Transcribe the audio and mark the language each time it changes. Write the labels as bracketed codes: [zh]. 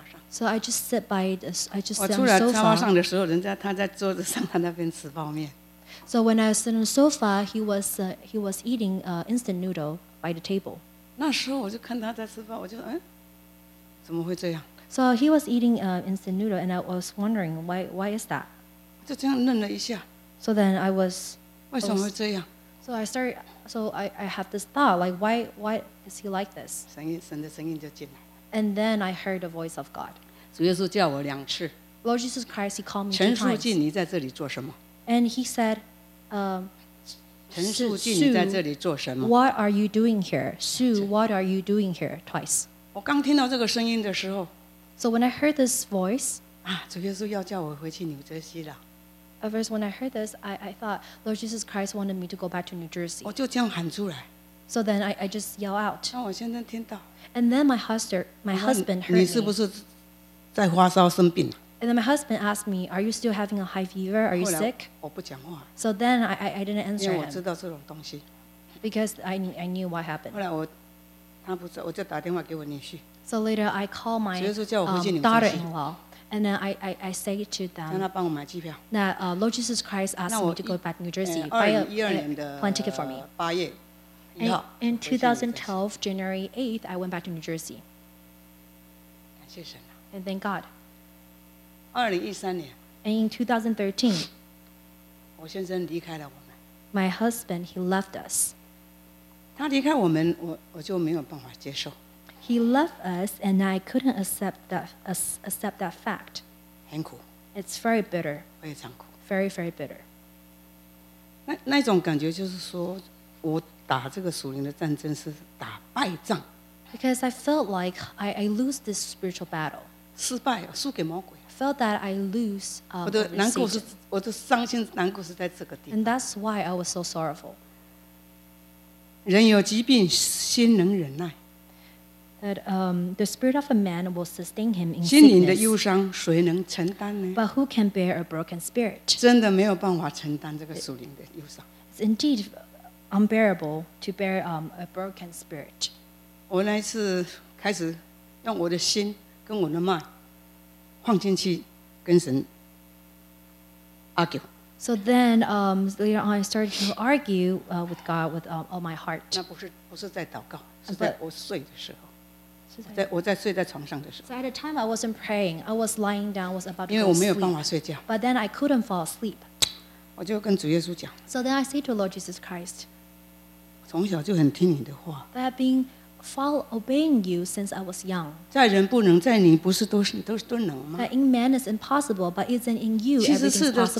[en] So I just sit by the So when I was sitting on the sofa, he was eating instant noodle by the table. [zh] 那时候我就看他在吃饭，我就嗯，怎么会这样 [en] ？So he was eating instant noodle, and I was wondering why is that? [zh] 就这样愣了一下。So [en] then I was [zh] 为什么会这样 [en] ？So I started. So I have this thought, like why is he like this? [zh] 神的声音就进来。And [en] then I heard the voice of God. [zh] 主耶稣叫我两次。Lord [en] Jesus Christ, he called me 2 times. [zh] 陈淑静，你在这里做什么？And [en] he said, [zh] 陈淑静，你在这里做什么？ [en] What are you doing here? Sue, what are you doing here? Twice. [zh] 我刚听到这个声音的时候, [en] so when I heard this voice, [zh] 啊, 主耶稣要叫我回去纽泽西了。 [en] At first, when I heard this, I thought, Lord Jesus Christ wanted me to go back to New Jersey. [zh] 我就这样喊出来。 [en] So then I just yell out. [zh] 让我先生听到。 [en] And then my husband heard me. [zh] 你是不是在发烧生病？ [en] And then my husband asked me, are you still having a high fever? Are you sick? So then I didn't answer him. Because I knew what happened. So later I called my daughter-in-law. And then I say to them that Lord Jesus Christ asked me to go back to New Jersey. Buy a ticket for me. And in 2012, January 8th, I went back to New Jersey. And thank God. [zh] 2013年。 [en] And in 2013, [zh] 我先生离开了我们。 [en] My husband, he left us. [zh] 他离开我们，我就没有办法接受。 [en] He left us, and I couldn't accept that fact. [zh] 很苦。 [en] It's very bitter. [zh] 非常苦。 [en] Very, very bitter. [zh] 那种感觉就是说，我打这个属灵的战争是打败仗。 [en] Because I felt like I lose this spiritual battle. [zh] 失败，输给魔鬼。 [en] Felt that I lose my sin. And that's why I was so sorrowful. [zh] 人有疾病，心能忍耐。 [en] That the spirit of a man will sustain him in sickness. [zh] 心灵的忧伤，谁能承担呢？ [en] But who can bear a broken spirit? [zh] 真的没有办法承担这个属灵的忧伤。 [en] It's indeed unbearable to bear a broken spirit. [zh] 我那一次开始用我的心跟我的脉。放进去跟神 argue. [en] So then, later on, I started to argue with God with all my heart. [zh] 那不是在祷告，是在我睡的时候，我在睡在床上的时候。 [en] So at the time, I wasn't praying. I was lying down, was about to sleep. [zh] 因为我没有办法睡觉。 [en] But then I couldn't fall asleep. [zh] 我就跟主耶稣讲。 [en] So then I say to Lord Jesus Christ. [zh] 从小就很听你的话。 [en] But I've beenFollow obeying you since I was young. [zh] 在人不能，在你不是都能吗？ [en] That in man is impossible, but isn't in you everything's possible?